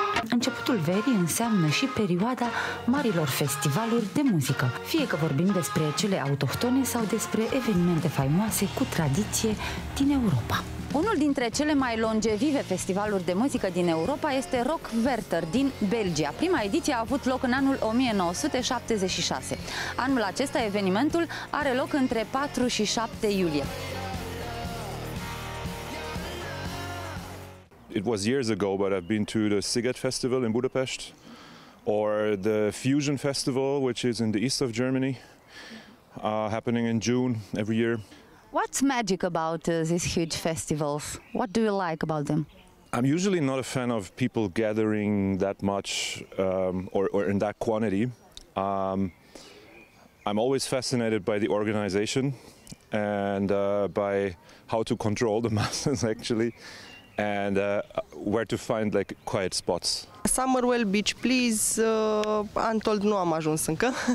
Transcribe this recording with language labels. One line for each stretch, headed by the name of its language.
Romanian: Începutul verii înseamnă și perioada marilor festivaluri de muzică, fie că vorbim despre cele autohtone sau despre evenimente faimoase cu tradiție din Europa. Unul dintre cele mai longevive festivaluri de muzică din Europa este Rock Werchter din Belgia. Prima ediție a avut loc în anul 1976. Anul acesta evenimentul are loc între 4 și 7 iulie.
English: It was years ago, but I've been to the Sziget Festival in Budapest or the Fusion Festival, which is in the east of Germany, happening in June every year. What's magic about these huge festivals? What do you like about them? I'm usually not a fan of people gathering that much or in that quantity. I'm always fascinated by the organization and by how to control the masses actually and where to find like quiet spots.
Romanian: Summerwell Beach, please, Antold nu am ajuns încă.